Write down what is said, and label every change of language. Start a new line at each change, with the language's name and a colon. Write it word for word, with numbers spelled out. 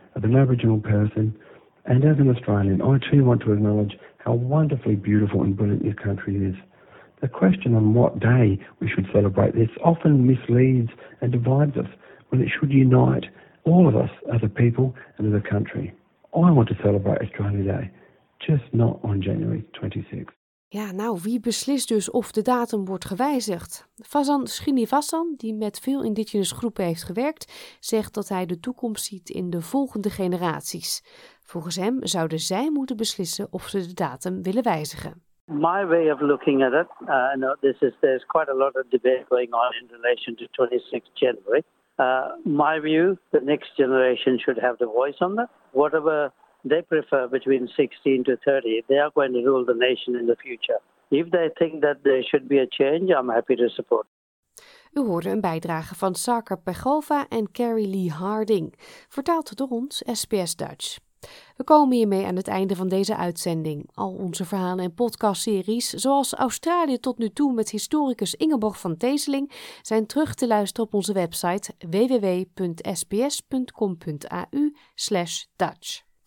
English: of an Aboriginal person, and as an Australian, I too want to acknowledge how wonderfully beautiful and brilliant this country is. The question on what day we should celebrate this often misleads and divides us, when it should unite all of us as a people and as a country. I want to celebrate Australia Day, just not on January twenty-sixth.
Dutch: Ja, nou, wie beslist dus of de datum wordt gewijzigd? Fasan Srinivasan, die met veel indigenous groepen heeft gewerkt, zegt dat hij de toekomst ziet in de volgende generaties. Volgens hem zouden zij moeten beslissen of ze de datum willen wijzigen.
English: My way of looking at it, uh, no, this is, there's quite a lot of debate going on in relation to twenty-sixth of January. Uh, my view, the next generation should have the voice on that. Whatever they prefer between sixteen to thirty, they are going to rule the nation in the future. If they think that there should be a change, I'm happy to support.
Dutch: U hoorde een bijdrage van Sarkar Pegova en Carrie Lee Harding, vertaald door ons S B S Dutch. We komen hiermee aan het einde van deze uitzending. Al onze verhalen en podcastseries, zoals Australië tot nu toe met historicus Ingeborg van Teeseling, zijn terug te luisteren op onze website double-u double-u double-u punt s b s punt com punt a u slash dutch.